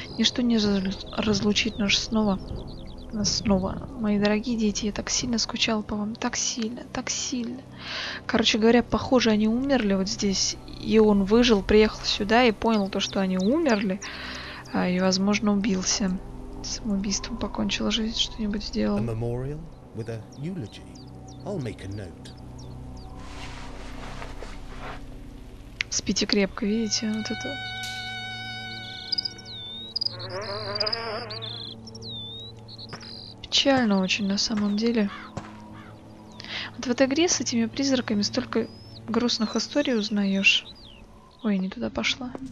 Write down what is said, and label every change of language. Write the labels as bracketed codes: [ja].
[ru] Ничто не разлучит нас снова. Мои дорогие дети, я так сильно скучала по вам. Так сильно, так сильно. Короче говоря, похоже, они умерли вот здесь. И он выжил, приехал сюда и понял то, что они умерли. И, возможно, убился. Самоубийством покончил жизнь, что-нибудь сделал. [en] A memorial with a eulogy. I'll make a note. [ru] Спите крепко, видите, вот это... Печально очень, на самом деле. Вот в этой игре с этими призраками столько грустных историй узнаешь. Ой, не туда пошла.